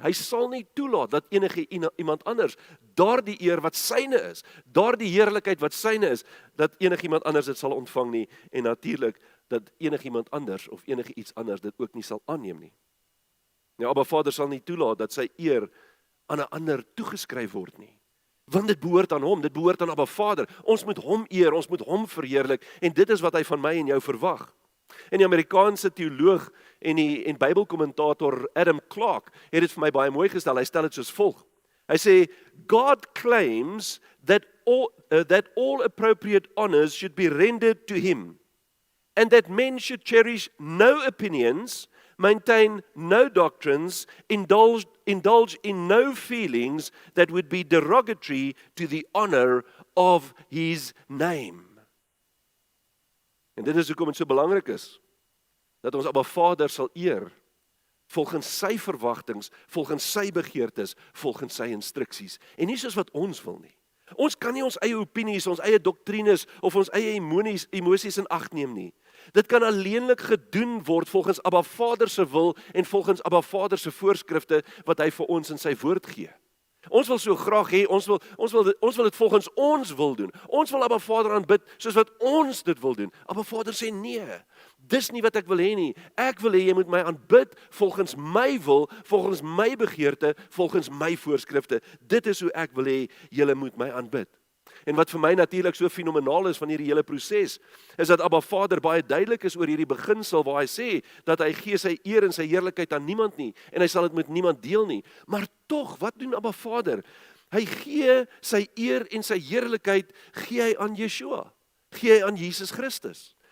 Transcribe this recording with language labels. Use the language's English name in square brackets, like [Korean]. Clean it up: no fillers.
[Afrikaans] Hy sal nie toelaat dat enige iemand anders, daardie eer wat syne is, daardie heerlikheid wat syne is, dat enige iemand anders dit sal ontvang nie, en natuurlik, dat enige iemand anders, of enige iets anders, dit ook nie sal aanneem nie. Nou, Abba Vader sal nie toelaat dat sy eer aan 'n ander toegeskryf word nie. Want dit behoort aan hom, dit behoort aan Abba Vader. Ons moet hom eer, ons moet hom verheerlik, en dit is wat hy van my en jou verwag. En die Amerikaanse teoloog en Bybelkommentator Adam Clark het dit vir my baie mooi gestel, hy stel dit soos volg. [English] Hy sê, God claims that all appropriate honors should be rendered to him, and that men should cherish no opinions, maintain no doctrines, indulge in no feelings that would be derogatory to the honor of his name. [Afrikaans] En dit is hoekom dit so belangrik is, dat ons Abba Vader sal eer, volgens sy verwagtings, volgens sy begeertes, volgens sy instruksies, en nie soos wat ons wil nie. Ons kan nie ons eie opinies, ons eie doktrines, of ons eie emosies in acht neem nie. Dit kan alleenlik gedoen word volgens Abba Vader se wil en volgens Abba Vader se voorskrifte wat hy vir ons in sy woord gee. Ons wil so graag hê, ons wil dit volgens ons wil doen. Ons wil Abba Vader aanbid soos wat ons dit wil doen. Abba Vader sê nee, dis nie wat ek wil hê nie. Ek wil hê jy moet my aanbid volgens my wil, volgens my begeerte, volgens my voorskrifte. Dit is hoe ek wil hê julle moet my aanbid. En wat vir my natuurlik so fenomenaal is van hierdie hele proses, is dat Abba Vader baie duidelik is oor hierdie beginsel waar hy sê, dat hy gee sy eer en sy heerlikheid aan niemand nie, en hy sal dit met niemand deel nie. Maar toch, wat doen Abba Vader? Hy gee sy eer en sy heerlikheid, gee hy aan Yeshua, gee hy aan Jesus Christus.